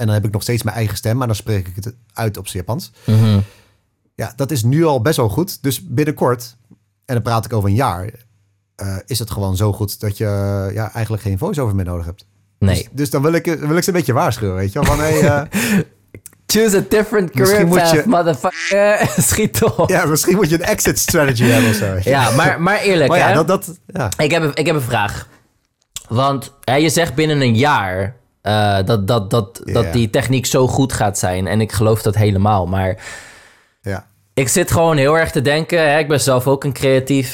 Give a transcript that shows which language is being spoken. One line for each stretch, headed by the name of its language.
Dutch: En dan heb ik nog steeds mijn eigen stem, maar dan spreek ik het uit op het Japans. Mm-hmm. Ja, dat is nu al best wel goed. Dus binnenkort, en dan praat ik over een jaar, is het gewoon zo goed dat je ja, eigenlijk geen voice-over meer nodig hebt. Nee. Dus dan wil ik ze een beetje waarschuwen, weet je. Van, hey,
English: choose a different career path, motherfucker.
Dutch: Schiet toch. Ja, misschien moet je een exit strategy hebben of zo. Ja, maar eerlijk, maar ja, hè? Dat, ja. Ik heb een vraag. Want hè, je zegt binnen een jaar dat die techniek zo goed gaat zijn. En ik geloof dat helemaal. Maar ja. Ik zit gewoon heel erg te denken. Hè? Ik ben zelf ook een creatief.